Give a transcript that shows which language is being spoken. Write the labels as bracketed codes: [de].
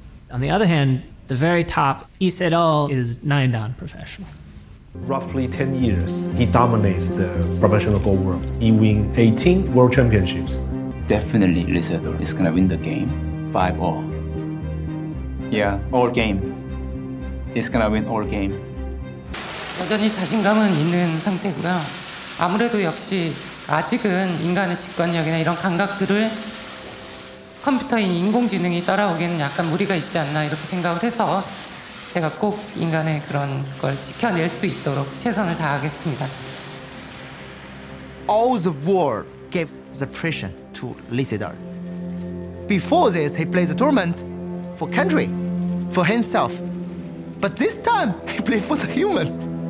[en] On the other hand, the very top, Lee Sedol, is 9 down professional. Roughly 10 years, he dominates the professional Go world. He wins 18 world championships. Definitely Lee Sedol is gonna win the game, 5-0. Yeah, all game. He's gonna win all game. [ko] 여전히 자신감은 있는 상태고요. 아무래도 역시 아직은 인간의 직관력이나 이런 감각들을 컴퓨터인 인공지능이 따라오기에는 약간 무리가 있지 않나 이렇게 생각을 해서 제가 꼭 인간의 그런 걸 지켜낼 수 있도록 최선을 다하겠습니다. [en] All the world gave the pressure to Lee Sedol. Before this, he played the tournament for country, for himself. But this time, he played for the human.